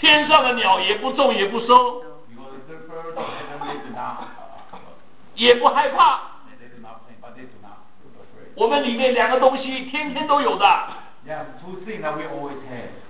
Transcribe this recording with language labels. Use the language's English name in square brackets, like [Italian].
[Chinese] 天上的鸟也不种也不收。 [English] Because the birds of heaven they do not. [Chinese] 也不害怕。 [English] They do not think, but they do not be afraid. [Chinese] 我们里面两个东西天天都有的。 [English] Yeah, two things that we always have.